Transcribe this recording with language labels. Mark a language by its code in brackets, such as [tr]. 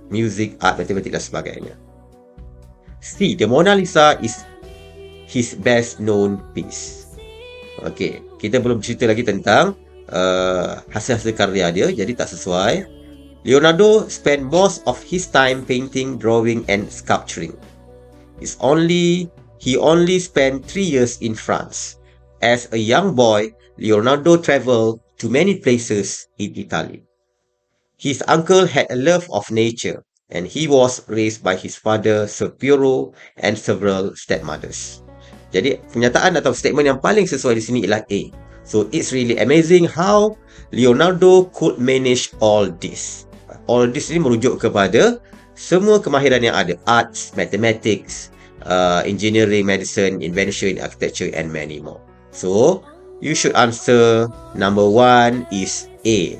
[en] Music, art, [ms] matematik dan sebagainya. C. [en] The Mona Lisa is his best known piece. Okay. [ms] Kita belum cerita lagi tentang hasil-hasil karya dia. Jadi tak sesuai. [en] Leonardo spent most of his time painting, drawing and sculpturing. He only spent 3 years in France. As a young boy, Leonardo traveled to many places in Italy. His uncle had a love of nature, and he was raised by his father, Sir Piero, and several stepmothers. [ms] Jadi, pernyataan atau statement yang paling sesuai di sini ialah A. [en] So, it's really amazing how Leonardo could manage all this. All this [ms] ini merujuk kepada semua kemahiran yang ada. [en] Arts, mathematics, engineering, medicine, invention, architecture, and many more. So, you should answer number 1 is A.